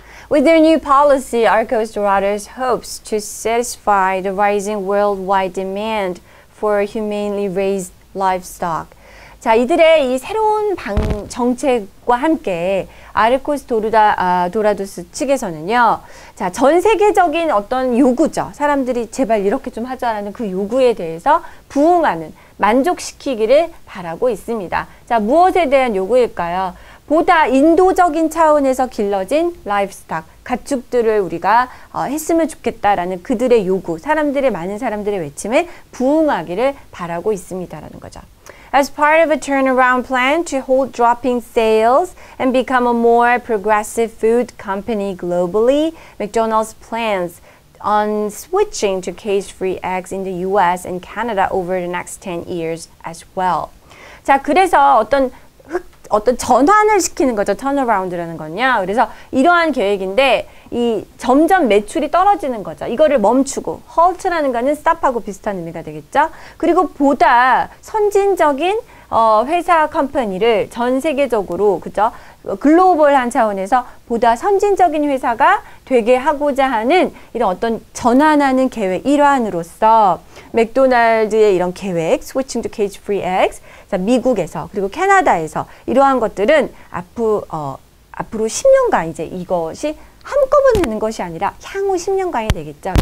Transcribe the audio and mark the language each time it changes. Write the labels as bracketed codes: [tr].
[en] With their new policy, our coastal riders hopes to satisfy the rising worldwide demand for humanely raised livestock. [ko] 자, 이들의 이 새로운 정책과 함께 아르코스 도라도스 측에서는요, 자, 전 세계적인 어떤 요구죠. 사람들이 제발 이렇게 좀 하자라는 그 요구에 대해서 부응하는, 만족시키기를 바라고 있습니다. 자, 무엇에 대한 요구일까요? 보다 인도적인 차원에서 길러진 라이프스탁, 가축들을 우리가 했으면 좋겠다라는 그들의 요구, 사람들의, 많은 사람들의 외침에 부응하기를 바라고 있습니다라는 거죠. [en] As part of a turnaround plan to halt dropping sales and become a more progressive food company globally, McDonald's plans on switching to cage-free eggs in the US and Canada over the next 10 years as well. [ko] 자, 그래서 어떤 전환을 시키는 거죠. turnaround라는 거냐. 그래서 이러한 계획인데, 이 점점 매출이 떨어지는 거죠. 이거를 멈추고, halt라는 거는 stop하고 비슷한 의미가 되겠죠. 그리고 보다 선진적인 회사 컴퍼니를 전 세계적으로, 그죠, 글로벌한 차원에서 보다 선진적인 회사가 되게 하고자 하는 이런 어떤 전환하는 계획 일환으로서 맥도날드의 이런 계획, [en] switching to cage free eggs, [ko] 자, 미국에서 그리고 캐나다에서 이러한 것들은 앞으로 10년간 이제 이것이 한꺼번에 되는 것이 아니라 향후 10년간이 되겠죠.